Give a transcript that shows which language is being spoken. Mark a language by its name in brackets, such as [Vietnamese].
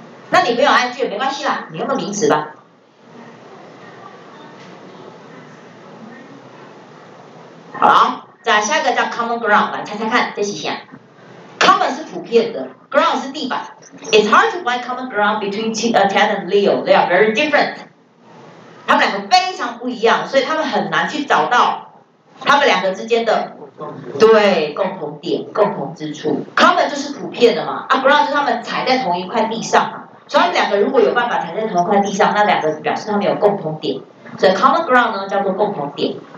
[Chinese] 那你没有 i n g 也没关系啦，你用个名词吧。好啦，再下一个叫 common ground， 来猜猜看这是啥？Common 是普遍的 ，ground 是地板。 [English] It's hard to find common ground between Ted and Leo. They are very different. [Chinese] 他们两个非常不一样，所以他们很难去找到他们两个之间的对共同点、共同之处。 Common 就是普遍的嘛，啊 ，ground 就是他们踩在同一块地上嘛。所以他们两个如果有办法踩在同一块地上，那两个表示他们有共同点，所以 common ground 呢叫做共同点。